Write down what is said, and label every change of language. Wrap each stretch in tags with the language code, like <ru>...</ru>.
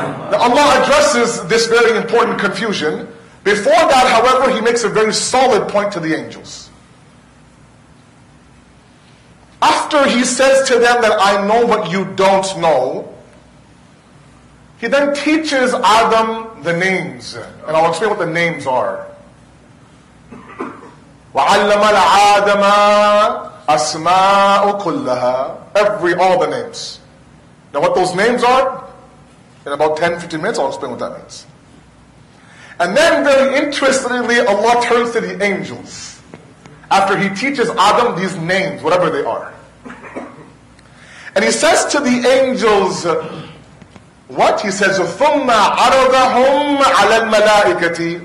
<en>Now Allah addresses this very important confusion. Before that, however, He makes a very solid point to the angels. After He says to them that I know what you don't know, He then teaches Adam the names. And I'll explain what the names are.</en> <ar>وَعَلَّمَ الْعَادَمَا أَسْمَاءُ كُلَّهَا</ar> <en>All the names. Now what those names are? In about 10-15 minutes, I'll explain what that means. And then very interestingly, Allah turns to the angels. After He teaches Adam these names, whatever they are. And He says to the angels, what? He says,</en> <ar>ثُمَّ عَرَضَهُمْ عَلَى الْمَلَائِكَةِ.</ar>